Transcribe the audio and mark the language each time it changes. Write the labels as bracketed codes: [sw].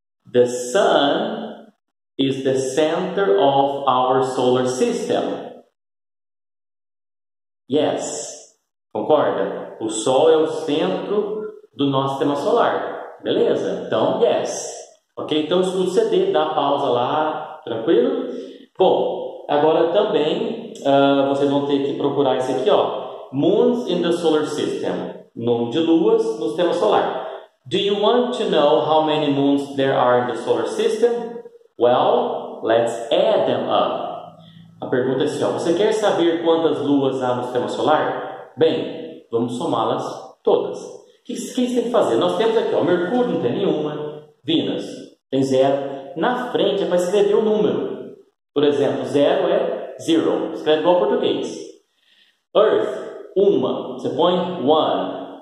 [en] The sun is the center of our solar system. [pt] Yes. Concorda? O Sol é o centro do nosso sistema solar. Beleza? Então, yes. Ok? Então, escuta o CD, dá pausa lá. Tranquilo? Bom, agora também. Vocês vão ter que procurar esse aqui, ó. [en] Moons in the Solar System. [pt] Nome de luas no sistema solar. [en] Do you want to know how many moons there are in the solar system? Well, let's add them up. [pt] A pergunta é assim, ó. Você quer saber quantas luas há no sistema solar? Bem, vamos somá-las todas. O que você tem que fazer? Nós temos aqui, ó. Mercúrio não tem nenhuma. Vênus tem zero. Na frente vai escrever o número. Por exemplo, zero é zero. Escreve igual ao português. Earth, uma. Você põe one.